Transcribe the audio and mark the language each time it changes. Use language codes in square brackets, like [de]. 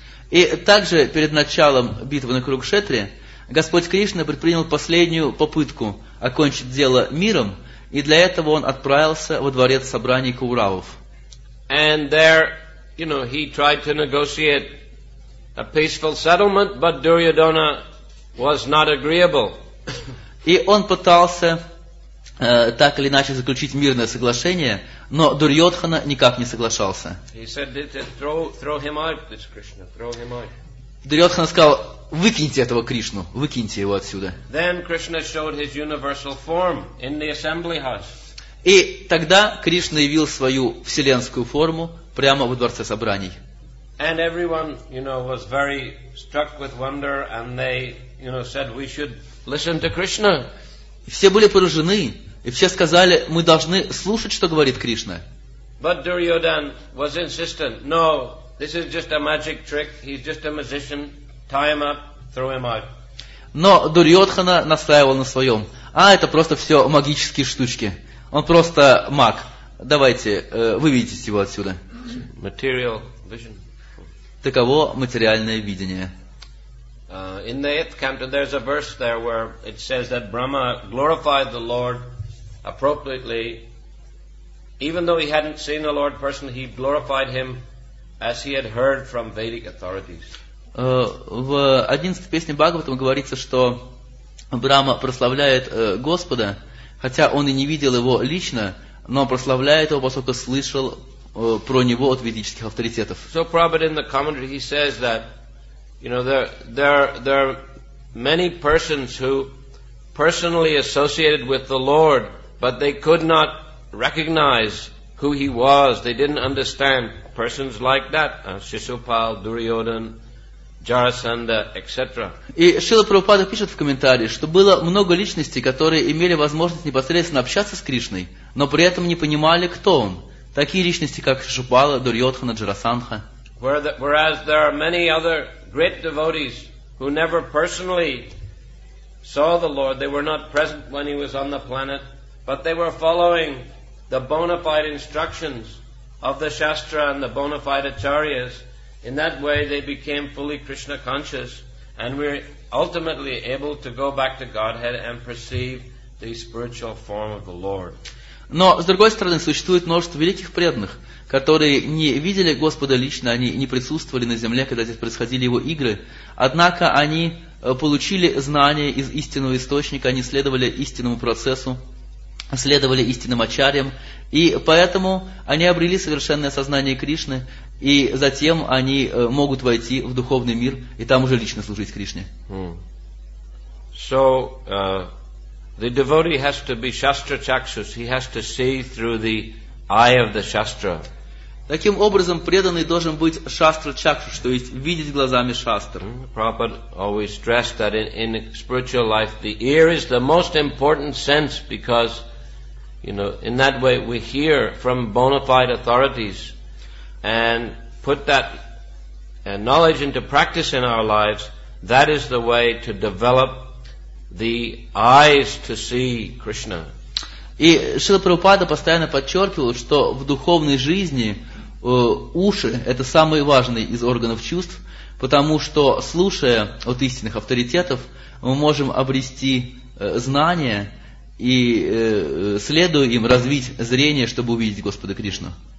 [ru] И также перед началом битвы на Курукшетре Господь Кришна предпринял последнюю попытку окончить дело миром, и для этого он отправился во дворец собраний Кауравов. [en] And there, you know, he tried to negotiate a peaceful settlement, but Duryodhana was not agreeable. [ru] И он пытался так или иначе заключить мирное соглашение, но Дурьотхана никак не соглашался. [en] He said, throw him out, this Krishna, throw him out. [ru] Дурьотхана сказал: выкиньте этого Кришну, выкиньте его отсюда. [en] Then Krishna showed his universal form in the assembly house. [ru] И тогда Кришна явил свою вселенскую форму прямо во дворце собраний. [en] And everyone, you know, was very struck with wonder, and they, you know, said we should listen to Krishna. [ru] Все были поражены, и все сказали: мы должны слушать, что говорит Кришна. [en] But Duryodhan was insistent. No, this is just a magic trick. He's just a magician. Tie him up, throw him out. [ru] Но Дурьотхана настаивал на своем. А это просто все магические штучки. Он просто маг. Давайте выведите его отсюда. [en] Material vision. [ru] Таково материальное видение. [en] In the 8th canto, there's a verse there where it says that Brahma glorified the Lord appropriately. Even though he hadn't seen the Lord personally, he glorified him as he had heard from Vedic authorities. [ru] В 11th песне Бхагаватам говорится, что Брахма прославляет Господа, хотя он и не видел его лично, но прославляет его, поскольку слышал про него от ведических авторитетов. [en] So Prabhupada in the commentary, he says that, you know, there are many persons who personally associated with the Lord, but they could not recognize who he was. They didn't understand persons like that, Shishupal, Duryodhan, Jarasandha, etc. [ru] И Шрила Прабхупада пишет в комментарии, что было много личностей, которые имели возможность непосредственно общаться с Кришной, но при этом не понимали, кто он. Такие личности, как Шишупала, Дурьотхана, Джарасандха. [en] Whereas there are many other great devotees who never personally saw the Lord, they were not present when he was on the planet, but they were following the bona fide instructions of the Shastra and the bona fide Acharyas. In that way they became fully Krishna conscious and were ultimately able to go back to Godhead and perceive the spiritual form of the Lord. [ru] Но, с другой стороны, существует множество великих преданных, которые не видели Господа лично, они не присутствовали на земле, когда здесь происходили его игры, однако они получили знания из истинного источника, они следовали истинному процессу, следовали истинным ачарьям, и поэтому они обрели совершенное сознание Кришны, и затем они могут войти в духовный мир и там уже лично служить Кришне. [en] The devotee has to be Shastra Chakshus. He has to see through the eye of the Shastra. [ru] Таким образом, преданный должен быть Shastra Chakshus, то есть видеть глазами Shastra. [en] Prabhupada always stressed that in spiritual life, the ear is the most important sense because, you know, in that way we hear from bona fide authorities and put that knowledge into practice in our lives. That is the way to develop the eyes to see Krishna. [ru] И Шрила Прабхупада постоянно подчеркивал, что в духовной жизни уши – это самый важный из органов чувств, потому что, слушая от истинных авторитетов, мы можем обрести знания и, следуя им, развить зрение, чтобы увидеть Господа Кришну.